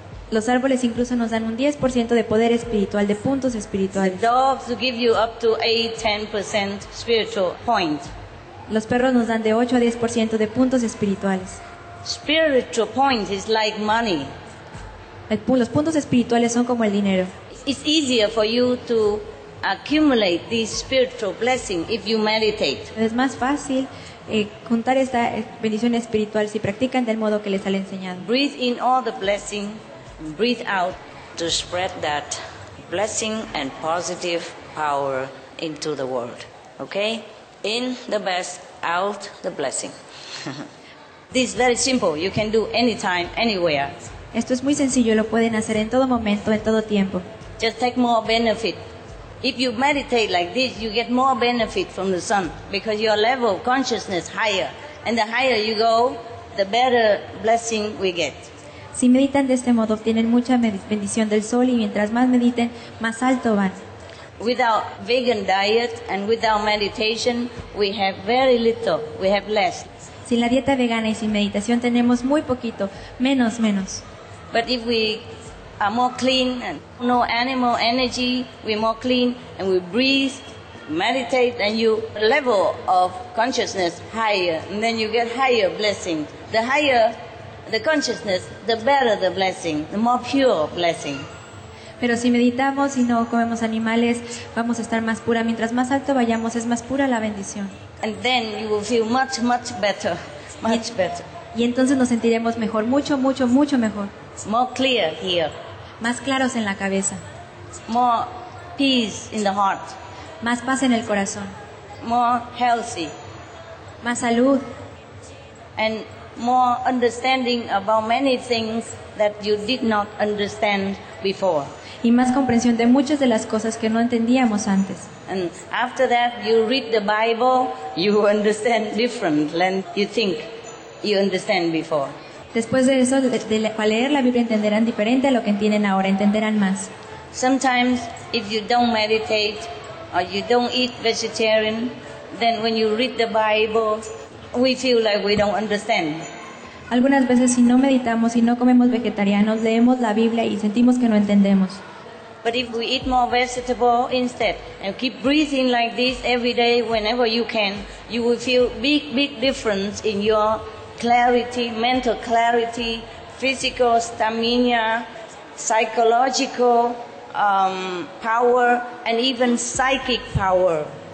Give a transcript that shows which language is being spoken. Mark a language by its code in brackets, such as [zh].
[es] Los árboles incluso nos dan un 10% de poder espiritual, de puntos espirituales. [en] The dogs give you up to 8-10% spiritual point. [es] Los perros nos dan de 8 a 10% de puntos espirituales. [en] Spiritual point is like money. [es] Los puntos espirituales son como el dinero. [en] It's easier for you to accumulate this spiritual blessing if you meditate. [es] Es más fácil juntar esta bendición espiritual si practican del modo que les han enseñado. [en] Breathe in all the blessing. Breathe out to spread that blessing and positive power into the world. Okay? In the best, out the blessing. This is very simple. You can do anytime, anywhere. [es] Esto es muy sencillo. Lo pueden hacer en todo momento, en todo tiempo. [en] Just take more benefit. If you meditate like this, you get more benefit from the sun because your level of consciousness higher. And the higher you go, the better blessing we get. [es] Si meditan de este modo, obtienen mucha bendición del sol y mientras más mediten, más alto van. [en] Without vegan diet and without meditation, we have very little, we have less. [es] Sin la dieta vegana y sin meditación, tenemos muy poquito, menos. [en] But if we are more clean and no animal energy, we're more clean and we breathe, meditate, and you level of consciousness higher, and then you get higher blessing. The higher the consciousness, the better the blessing, the more pure blessing. [es] Pero si meditamos y no comemos animales, vamos a estar más pura. Mientras más alto vayamos, es más pura la bendición. [en] And then you will feel much, much better, much better. [es] Y entonces nos sentiremos mejor, mucho, mucho, mucho mejor. [en] More clear here. [es] Más claros en la cabeza. [en] More peace in the heart. [es] Más paz en el corazón. [en] More healthy. [es] Más salud. [en] And more understanding about many things that you did not understand before. [es] Y más comprensión de muchas de las cosas que no entendíamos antes. [en] And after that, you read the Bible, you understand different than you think you understand before. [es] Después de eso, al leer la Biblia, entenderán diferente a lo que entienden ahora, entenderán más. [en] Sometimes, if you don't meditate or you don't eat vegetarian, then when you read the Bible, we feel like we don't understand. [es] Algunas veces si no meditamos y no comemos vegetarianos, leemos la Biblia y sentimos que no entendemos. [en] But if we eat more vegetable instead and keep breathing like this every day whenever you can, you will feel big difference in your clarity, mental clarity, physical stamina, psychological power and even psychic power.